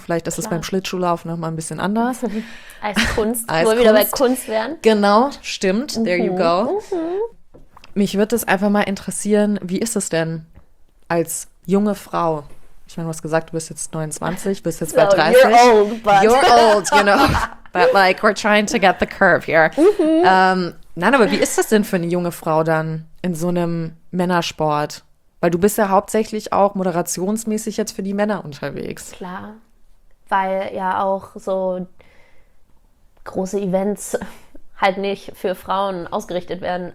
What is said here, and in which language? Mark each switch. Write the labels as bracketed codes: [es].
[de] Vielleicht ist es beim Schlittschuhlaufen noch mal ein bisschen anders. Als Kunst, wo wir wieder bei Kunst wären. Genau, stimmt, [en] there you go. [de] Mich würde es einfach mal interessieren, wie ist es denn als junge Frau? Ich meine, du hast gesagt, du bist jetzt 29, bist jetzt so, bei 30. [en] You're old, but. You're old, you know. But like, we're trying to get the curve here. [de] Nein, aber wie ist das denn für eine junge Frau dann in so einem Männersport? Weil du bist ja hauptsächlich auch moderationsmäßig jetzt für die Männer unterwegs. Klar, weil ja auch so große Events halt nicht für Frauen ausgerichtet werden.